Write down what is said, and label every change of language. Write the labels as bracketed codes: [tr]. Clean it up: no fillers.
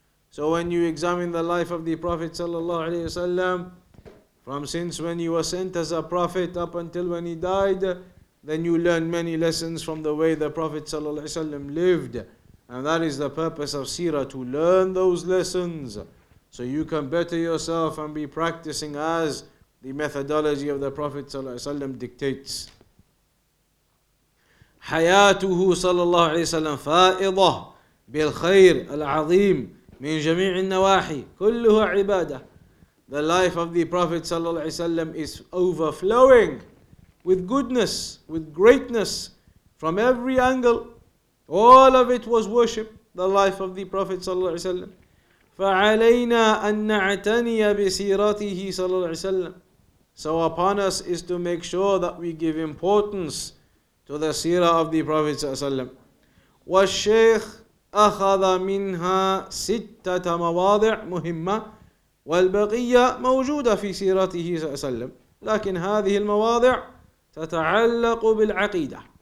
[en] So when you examine the life of the Prophet sallallahu alaihi wasallam, from since when he was sent as a prophet up until when he died, then you learn many lessons from the way the Prophet ﷺ lived. And that is the purpose of seerah, to learn those lessons. So you can better yourself and be practicing as the methodology of the Prophet ﷺ dictates. [ar] حياته صلى الله عليه وسلم فائضة بالخير العظيم من جميع النواحي كلها عبادة. [en] The life of the Prophet ﷺ is overflowing with goodness, with greatness from every angle. All of it was worship, the life of the Prophet ﷺ. [ar] فَعَلَيْنَا أَن نَعْتَنِيَ بِسِيرَتِهِ صَلَّى اللَّهُ عَلَيْهِ وَسَلَّمُ. [en] So upon us is to make sure that we give importance to the seerah of the Prophet ﷺ. [ar] وَالشَّيْخ أَخَذَ مِنْهَا سِتَّةَ مَوَاضِعْ مُهِمَّةً والبقية موجودة في سيرته صلى الله عليه وسلم لكن هذه المواضع تتعلق بالعقيدة.